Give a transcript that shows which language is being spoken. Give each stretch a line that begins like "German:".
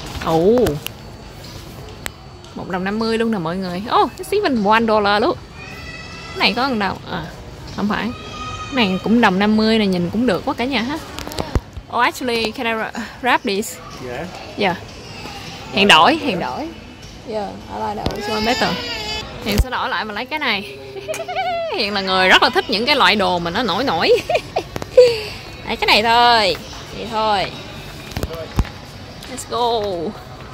Vietnamese: Oh. 1.50 luôn nè mọi người.
English: Oh, it's even $1
Vietnamese: luôn. Cái này có 1 đồng. À, không phải. Cái này cũng đồng 50 nè, nhìn cũng được quá cả nhà ha.
English: Oh, actually, can I wrap this? Yeah. Yeah.
Vietnamese: Hiện đổi.
English: Yeah, I like that one, so I'm better.
Vietnamese: Hiện sẽ đổi lại mà lấy cái này. Hiện là người rất là thích những cái loại đồ mà nó nổi. Lấy cái này thôi. Vậy thôi.
English: Let's go.